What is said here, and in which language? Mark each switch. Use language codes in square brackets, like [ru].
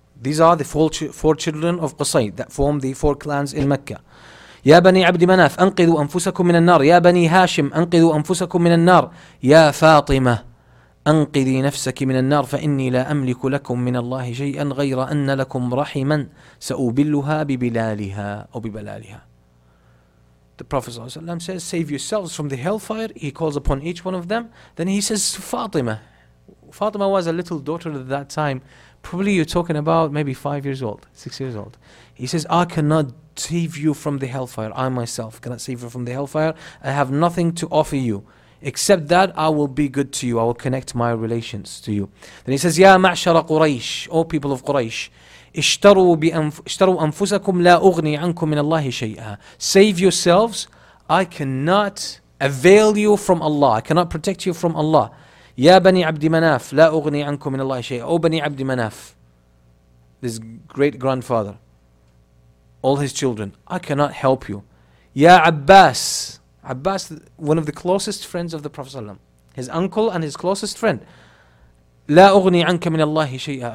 [en] These are the four children of قصي that form the four clans in Mecca. [ar] يا بني عبد مناف أنقذوا أنفسكم من النار. يا بني هاشم أنقذوا أنفسكم من النار. يا فاطمة أنقذي نفسك من النار فإني لا أملك لكم من الله شيئا غير أن لكم رحما سأبلها ببلالها أو ببلالها. [en] The Prophet صلى الله عليه وسلم says, save yourselves from the hellfire. He calls upon each one of them. Then he says, Fatima. Fatima was a little daughter at that time. Probably you're talking about maybe 6 years old. He says, I cannot save you from the hellfire. I myself cannot save you from the hellfire. I have nothing to offer you. Except that I will be good to you. I will connect my relations to you. Then he says, Ya ma'shara Quraysh, O people of Quraysh, [ar] اشتروا أنفسكم لا أغني عنكم من الله شيئا. [en] Save yourselves. I cannot avail you from Allah. I cannot protect you from Allah. [ar] يا بني عبد مناف لا أغني عنكم من الله شيئا. [en] O بني عبد مناف, this great grandfather, all his children, I cannot help you. Ya Abbas, Abbas, one of the closest friends of the Prophet ﷺ, his uncle and his closest friend, [ar] لا أغني عنك من الله شيئا.